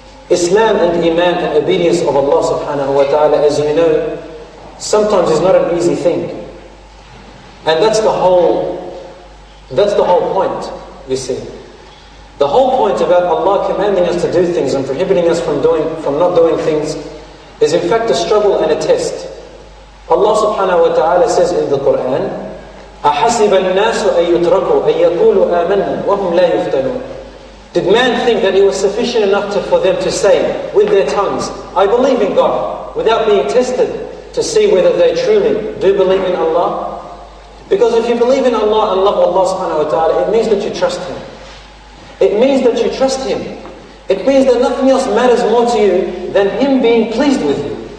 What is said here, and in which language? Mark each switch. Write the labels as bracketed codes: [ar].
[en] Islam and Iman and obedience of Allah subhanahu wa ta'ala, as you know, sometimes is not an easy thing. And that's the whole point, you see. The whole point about Allah commanding us to do things and prohibiting us from not doing things is in fact a struggle and a test. Allah subhanahu wa ta'ala says in the Quran, [ar] أَحَسِبَ النَّاسُ أَن يُتْرَكُوا أَن يَقُولُوا آمَنَّا وَهُمْ لَا يُفْتَنُونَ. [en] Did man think that it was sufficient enough for them to say with their tongues, I believe in God, without being tested to see whether they truly do believe in Allah? Because if you believe in Allah and love Allah subhanahu wa ta'ala, it means that you trust Him. It means that you trust Him. It means that nothing else matters more to you than Him being pleased with you.